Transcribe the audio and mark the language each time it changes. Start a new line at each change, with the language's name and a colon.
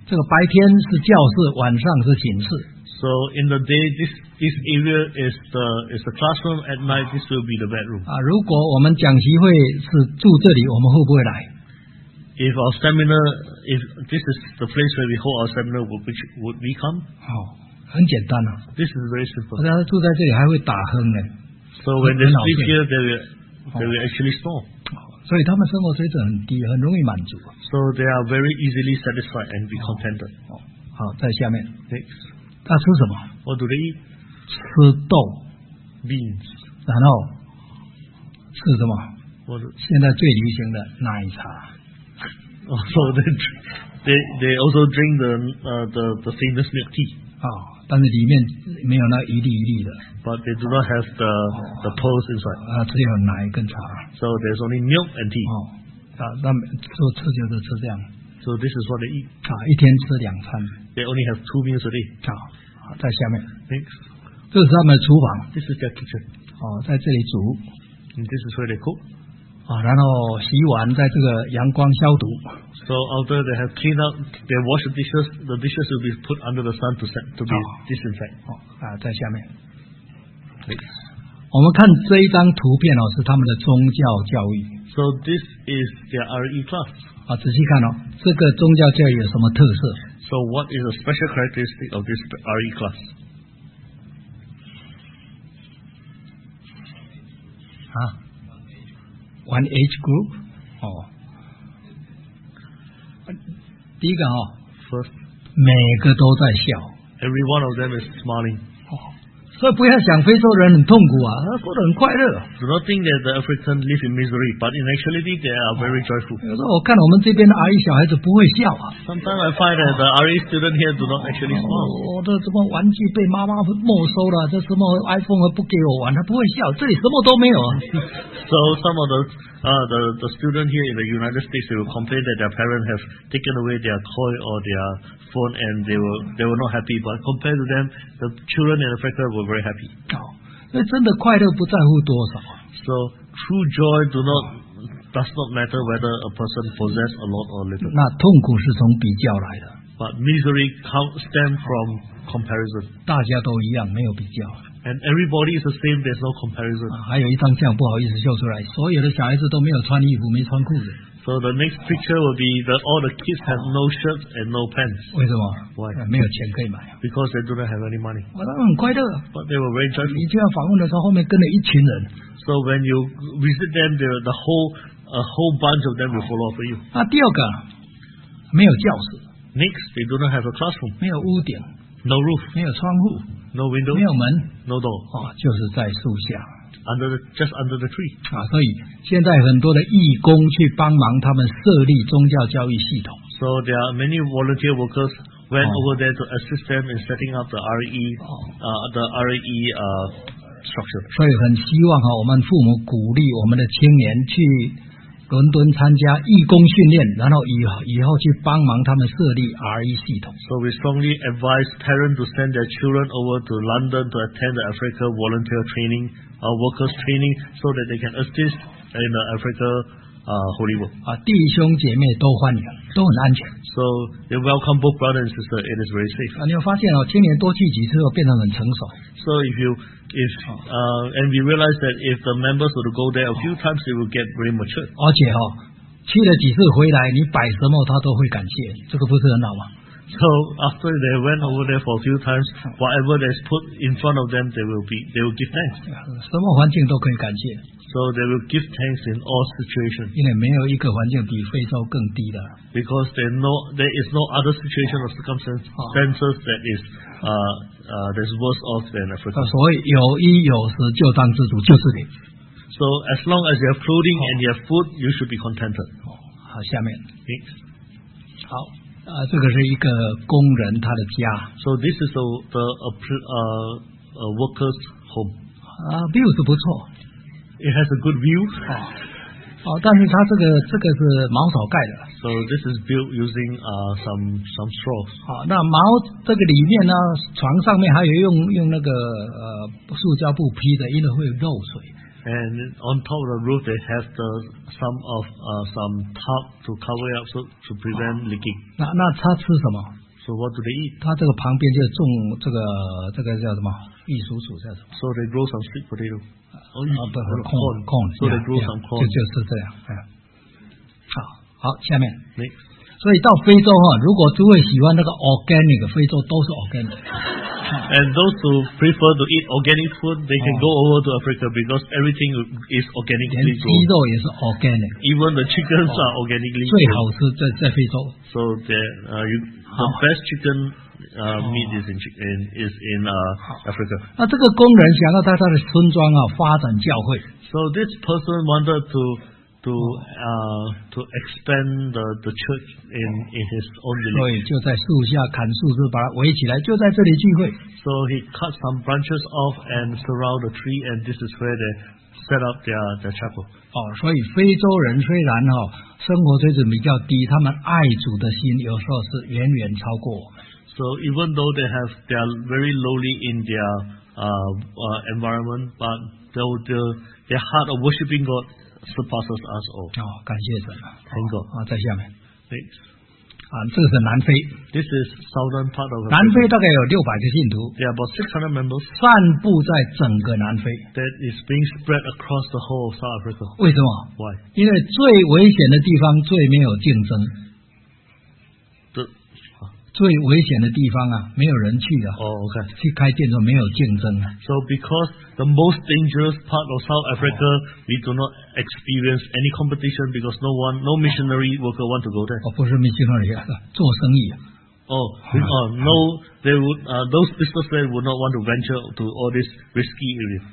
Chinese: 这个白天是教室，晚上是寝室。
English: So in the day, this area is the classroom. At night, this will be the bedroom.
Chinese: 啊，如果我们讲习会是住这里，我们会不会来
English: ？If our seminar, if this is the place where we hold our seminar, would we come?
Chinese: 好、哦，很简单啊。
English: This is very simple.
Chinese: 而且他住在这里还会打哼呢。
English: So when they sleep here, they will. They will actually store.
Chinese: 所以他们生活水准很低，很容易满足。
English: So they are very easily satisfied and be contented.
Chinese: 好，在下面。
English: Next.
Chinese: 他吃什么
English: ？What do they eat?
Chinese: 吃豆
English: ，beans.
Chinese: 然后吃什么
English: ？What?
Chinese: 现在最流行的奶茶。
English: Oh, so they also drink the famous milk tea.
Chinese: 但是里面没有那一粒一粒的。
English: But they do not have the pearls inside.
Chinese: 只有奶跟茶。
English: So there's only milk and tea.
Chinese: 吃就是吃这样。
English: So this is what they eat.
Chinese: 一天吃两餐。
English: They only have two meals a day.
Chinese: 在下面。
English: Next.
Chinese: 这是他们的厨房。
English: This is their kitchen.
Chinese: 在这里煮。
English: And this is where they cook.
Chinese: 然后洗碗，在这个阳光消毒。
English: So after they have cleaned up, they wash the dishes. The dishes will be put under the sun to be disinfected.
Chinese: 在下面。
English: Please.
Chinese: 我们看这一张图片是他们的宗教教育。
English: So this is their RE class.
Chinese: 仔细看这个宗教教育有什么特色
English: ？So what is a special characteristic of this RE class? One age group，
Chinese: 第一个
English: First,
Chinese: 每个都在笑
English: ，Every one of them is smiling。
Chinese: 所以不要想非洲人很痛苦他过得很快乐。
English: Do not think that the Africans live in misery, but in actuality they are very joyful。
Chinese: 有时候我看我们这边的 RE 小孩子不会笑
English: Sometimes I find that the RE student here do not actually smile。
Chinese: 我的什么玩具被妈妈没收了，这什么 iPhone 不给我玩，他不会笑，这里什么都没有。
English: So some of the student here in the United States will complain that their parents have taken away their toy or their phone and they were not happy. But compared to them, the children in Africa were very happy.
Chinese: 那真的快乐不在乎多少。
English: So true joy does not matter whether a person possess a lot or little.
Chinese: 那痛苦是从比较来的。
English: But misery stems from comparison.
Chinese: 大家都一样，没有比较。
English: And everybody is the same. There's no comparison.
Chinese: 还有一张相不好意思秀出来，所有的小孩子都没有穿衣服，没穿裤子。
English: So the next picture will be that all the kids have no shirts and no pants.
Chinese: 为什么
English: ？Why？
Chinese: 没有钱可以买。
English: Because they do not have any money.
Chinese: 他们很快乐。
English: But they were very joyful.
Chinese: 你就要访问的时候，后面跟了一群人。
English: So when you visit them, the whole bunch of them will follow after you.
Chinese: 第二个，没有教室。
English: Next, they do not have a classroom.
Chinese: 没有屋顶。
English: No roof.
Chinese: 没有窗户。
English: No window.
Chinese: 没有门。
English: No door.
Chinese: 就是在树下。
English: Just under the tree.
Chinese: 所以现在很多的义工去帮忙他们设立宗教教育系统。
English: So there are many volunteer workers went over there to assist them in setting up the RE, structure.
Chinese: 所以很希望我们父母鼓励我们的青年去伦敦参加义工训练，然后以后去帮忙他们设立 RE 系统。
English: So we strongly advise parents to send their children over to London to attend the Africa volunteer training. Workers training so that they can assist in the Africa holy work.
Chinese: 弟兄姐妹都欢迎，都很安全。
English: So they welcome both brothers and sisters. It is very safe.
Chinese: 你会发现青年多去几次后变成很成熟。
English: So if we realize that if the members were to go there a few times, they will get very mature.
Chinese: 而且去了几次回来，你摆什么他都会感谢，这个不是很好吗？
English: So after they went over there for a few times, whatever that's put in front of them, they will give thanks.
Chinese: 什么环境都可以感谢。
English: So they will give thanks in all situations.
Chinese: 因为没有一个环境比非洲更低的。
English: Because there is no other situation or circumstances that is that's worse off than Africa.
Chinese: 所以有衣有食就当知足，就是你。
English: So as long as you have clothing and you have food, you should be contented.
Chinese: 好，下面。
English: Next.
Chinese: 好。这个是一个工人他的家。
English: So this is a worker's home.
Chinese: View 是不错。
English: It has a good view.
Chinese: 但是它这个是茅草盖的。
English: So this is built using some straws.
Chinese: 那茅这个里面呢，床上面还有用那个塑胶布披的，因为会漏水。
English: And on top of the roof, they have some tarp to cover it up so to prevent leaking.
Chinese: 那他吃什么
English: ？So what do they eat?
Chinese: 他这个旁边就种这个叫什么？玉蜀黍叫什么
English: ？So they grow some sweet potato. Corn. So they grow some corn.
Chinese: 就是这样。好，下面。
English: Next.
Chinese: 所以到非洲如果诸位喜欢那个 organic， 非洲都是 organic。
English: And those who prefer to eat organic food, they can go over to Africa because everything is organically grown.
Chinese: 连鸡肉也是 organic.
English: Even the chickens are organically grown.
Chinese: 最好是在非洲。
English: So the best chicken meat is in Africa.
Chinese: 那这个工人想要在他的村庄发展教会。
English: So this person wanted to to expand the church in his own village.
Chinese: 就在树下砍树枝把它围起来，就在这里聚会。
English: So he cut some branches off and surround the tree, and this is where they set up their chapel.
Chinese: 所以非洲人虽然生活水准比较低，他们爱主的心有时候是远远超过我们。
English: So even though they are very lowly in their environment, but their heart of worshiping God surpasses us all.
Chinese: 感谢神。
English: Thank God.
Chinese: 在下面。
English: Thanks.
Chinese: 这个是南非。
English: This is southern part of.
Chinese: 南非大概有600个信徒。
English: There are about 600 members.
Chinese: 散布在整个南非。
English: That is being spread across the whole of South Africa.
Chinese: 为什么
English: ？Why?
Chinese: 因为最危险的地方最没有竞争。最危险的地方啊，没有人去的。
English: Okay.
Chinese: 去开店都没有竞争啊。
English: So because the most dangerous part of South Africa, we do not experience any competition because no missionary worker want to go there.
Chinese: 不是 missionary 啊，做生意。
English: Those businessmen would not want to venture to all this risky area.